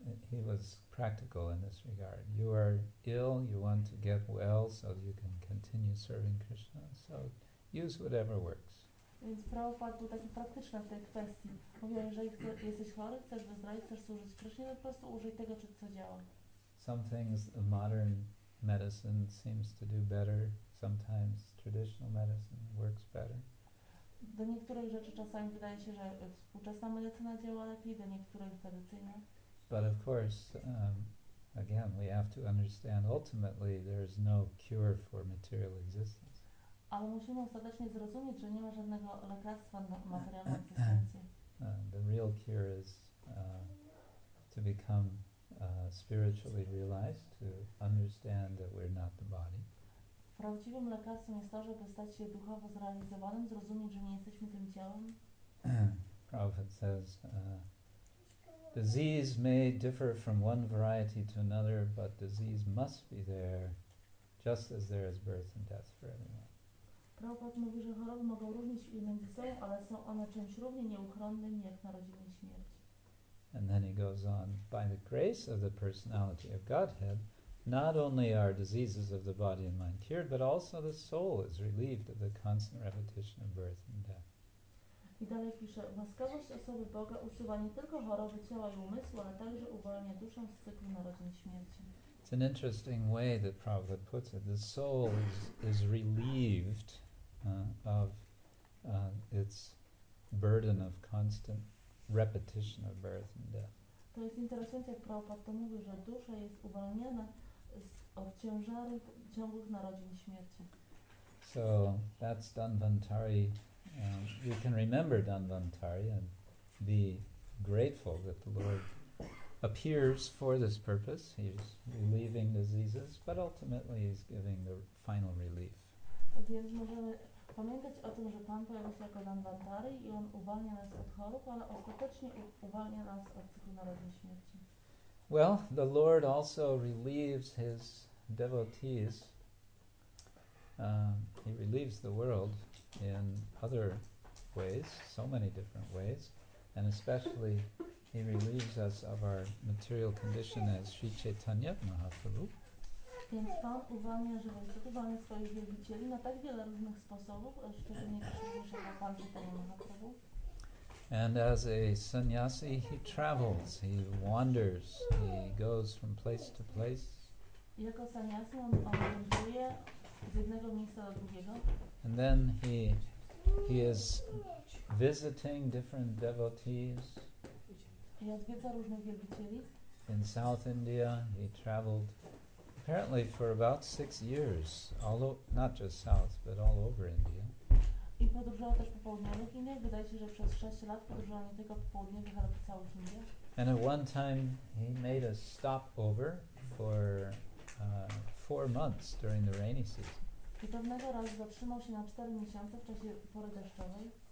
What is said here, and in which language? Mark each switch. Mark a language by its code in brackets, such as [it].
[en] He was practical in this regard. You are ill, you want to get well so you can continue serving Krishna. So use whatever works. [pl] Więc Prabhupada był taki praktyczny w tej kwestii. Mówił, że jeżeli jesteś chory, chcesz wyzdrowieć, chcesz służyć Krishna, po prostu użyj tego, co działa. [en] Some things the modern medicine seems to do better. Sometimes traditional medicine works better. [pl] Do niektórych rzeczy czasami wydaje się, że współczesna medycyna działa lepiej, do niektórych tradycyjna. [en] But of course, again, we have to understand ultimately there is no cure for material existence. [pl] Ale musimy ostatecznie zrozumieć, że nie ma żadnego lekarstwa na materialną egzystencję. [en] The real cure is to become spiritually realized, to understand that we're not the body. [pl] Prawdziwym lekarstwem jest to, żeby stać się duchowo zrealizowanym, zrozumieć, że nie jesteśmy tym ciałem. [en] Prabhupada says, disease may differ from one variety to another, but disease must be there, just as there is birth and death for everyone. [pl] Prabhupada mówi, że choroby mogą różnić się między sobą, ale są one czymś równie nieuchronnym, jak narodziny i śmierć. [en] And then he goes on, by the grace of the personality of Godhead, not only are diseases of the body and mind cured, but also the soul is relieved of the constant repetition of birth and death. [pl] I dalej pisze, łaskawość osoby Boga usuwa nie tylko choroby ciała i umysłu, ale także uwalnia duszę z cyklu narodzin i śmierci. [en] It's an interesting way that Prabhupada puts it. The soul is relieved of its burden of constant repetition of birth and death. [pl] To jest interesujące, jak Prabhupada to mówi, że dusza jest uwalniana od ciężarów ciągłych narodzin i śmierci. [en] So that's Dhanvantari. We can remember Dhanvantari and be grateful that the Lord appears for this purpose. He's relieving diseases, but ultimately he's giving the final relief. [pl] Więc możemy pamiętać o tym, że Pan pojawił się jako Dhanvantari i on uwalnia nas od chorób, ale ostatecznie uwalnia nas od cyklu narodzin i śmierci. [en] Well, the Lord also relieves his devotees. He relieves the world in other ways, so many different ways, and especially he relieves us of our material condition as Sri Chaitanya Mahaprabhu. [pl] Więc Pan uwalnia żywotów, uwalnia swoich wielbicieli na tak wiele różnych sposobów, szczególnie przyjrzał Pan Chaitanya Mahaprabhu. [en] And as a sannyasi, he travels, he wanders, he goes from place to place. [pl] Jako sannyasi, on wędruje z jednego miejsca do drugiego. [en] And then he is visiting different devotees. [pl] I odwiedza różnych wielbicieli. [en] In South India, he traveled apparently for about 6 years, not just south, but all over India. [pl] I podróżował też po południowych Indiach. Wydaje się, że przez 6 lat podróżował nie tylko po południowych, ale po całych Indiach. [en] And at one time he made a stopover for 4 months during the rainy season. [pl] I pewnego razu zatrzymał się na 4 miesiące w czasie pory deszczowej.